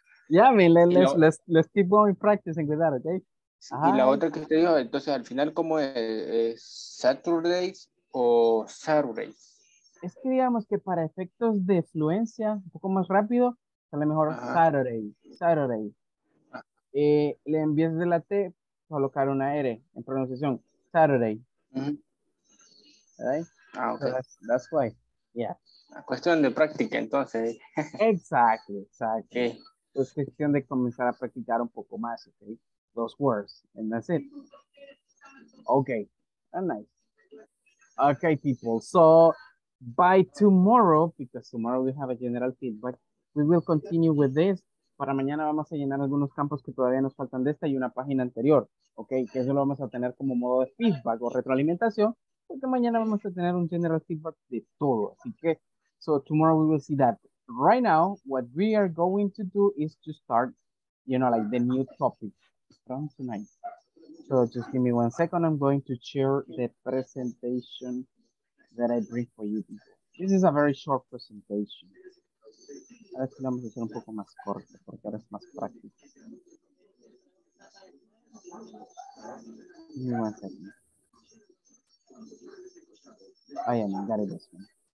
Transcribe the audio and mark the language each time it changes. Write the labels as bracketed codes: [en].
[en] Yeah, I mean, let's keep on practicing with that, okay? [es] Uh-huh. Y la otra que usted dijo, entonces, al final, ¿cómo es Saturdays o Saturdays? Es que digamos que para efectos de fluencia, un poco más rápido, sale mejor Saturday. Saturday. Le envías de la T, colocar una R en pronunciación. [en] Saturday. Mm-hmm. Right? Ah, okay. So that's why. Yeah. [es] Cuestión de práctica, entonces. [en] Exactly, exactly. Okay. [es] Es cuestión de comenzar a practicar un poco más, okay? [en] Those words. And that's it. Okay. And nice. Okay, people. So by tomorrow, because tomorrow we have a general feedback, we will continue with this. [es] Para mañana vamos a llenar algunos campos que todavía nos faltan de esta y una página anterior, ¿ok? Que eso lo vamos a tener como modo de feedback o retroalimentación, porque mañana vamos a tener un general feedback de todo. Así que, [en] so tomorrow we will see that. Right now, what we are going to do is to start, you know, like the new topic from tonight. So just give me 1 second. I'm going to share the presentation that I bring for you. This is a very short presentation. [es] Ahora sí vamos a hacer un poco más corto porque ahora es más práctico. [en] Give me 1 second. I am, got it this one.